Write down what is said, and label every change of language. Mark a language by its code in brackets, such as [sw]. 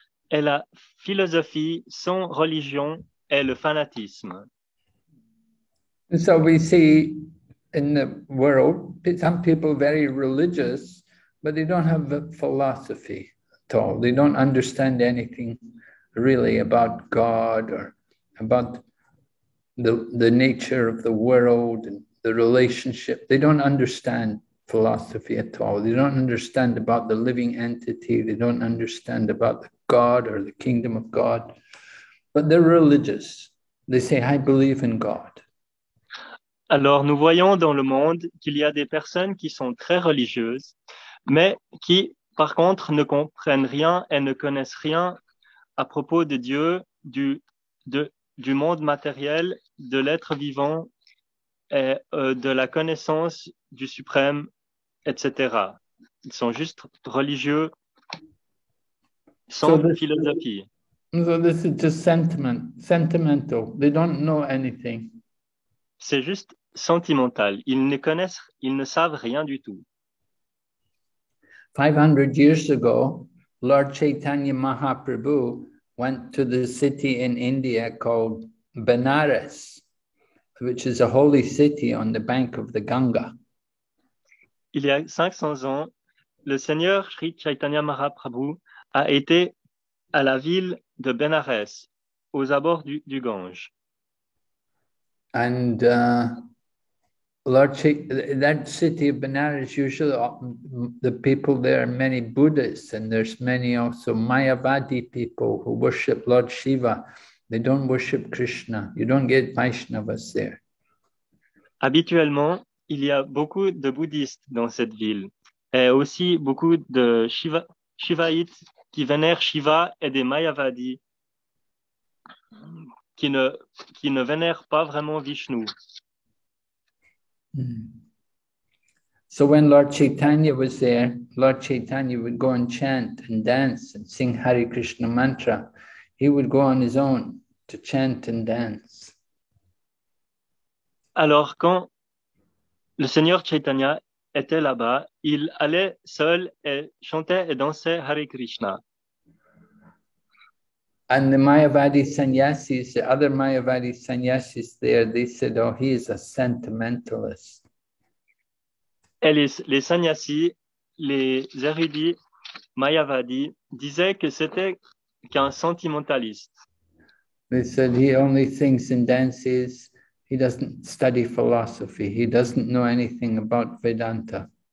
[fr] Et la philosophie sans religion est le fanatisme. [en] And so we see in the world some people very religious, but they don't have a philosophy at all. They don't understand anything really about God or about the nature of the world and the relationship. They don't understand philosophy at all. They don't understand about the living entity. They don't understand about the God or the kingdom of God. But they're religious. They say, I believe in God. [fr] Alors, nous voyons dans le monde qu'il y a des personnes qui sont très religieuses, mais qui, par contre, ne comprennent rien et ne connaissent rien à propos de Dieu, du monde matériel, de l'être vivant et de la connaissance du suprême, etc. Ils sont juste religieux sans philosophie. [en] So this is just sentimental. They don't know anything. [fr] C'est juste sentimental. Ils ne savent rien du tout. [en] 500 years ago, Lord Chaitanya Mahaprabhu went to the city in India called Benares, which is a holy city on the bank of the Ganga. [fr] Il y a 500 ans, le Seigneur Sri Chaitanya Mahaprabhu a été à la ville de Benares, aux abords du Gange. [en] And that city of Benares, usually the people there are many Buddhists, and there's many also Mayavadi people who worship Lord Shiva. They don't worship Krishna. You don't get Vaishnavas there. [fr] Habituellement, il y a beaucoup de bouddhistes dans cette ville, et aussi beaucoup de Shivaites qui vénèrent Shiva et des Mayavadis qui ne vénèrent pas vraiment Vishnu. [en] So when Lord Chaitanya was there, Lord Chaitanya would go and chant and dance and sing Hare Krishna mantra. He would go on his own to chant and dance. [fr] Alors quand le Seigneur Chaitanya était là-bas, il allait seul et chantait et dansait Hare Krishna. [en] And the Mayavadi sannyasis, the other Mayavadi sannyasis there, they said, oh, he is a sentimentalist. [fr] Et les sannyasis, les érudits Mayavadi, disaient que c'était qu'un sentimentaliste. [en] They said, he only thinks and dances. He doesn't study philosophy. He doesn't know anything about Vedanta.